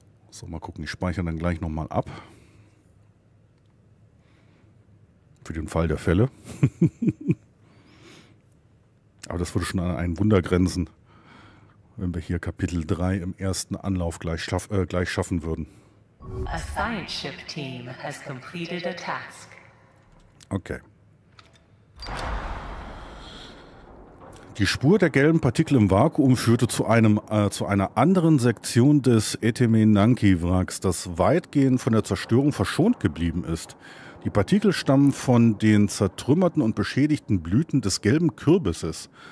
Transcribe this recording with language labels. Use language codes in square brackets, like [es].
[de] So, mal gucken. Ich speichere dann gleich nochmal ab. Für den Fall der Fälle. Aber das würde schon an ein Wunder grenzen, wenn wir hier Kapitel 3 im ersten Anlauf gleich schaffen würden. [en] A science ship team has completed a task. Okay. [de] Die Spur der gelben Partikel im Vakuum führte zu einer anderen Sektion des Etemenanki-Wracks, das weitgehend von der Zerstörung verschont geblieben ist. Die Partikel stammen von den zertrümmerten und beschädigten Blüten des gelben Kürbisses.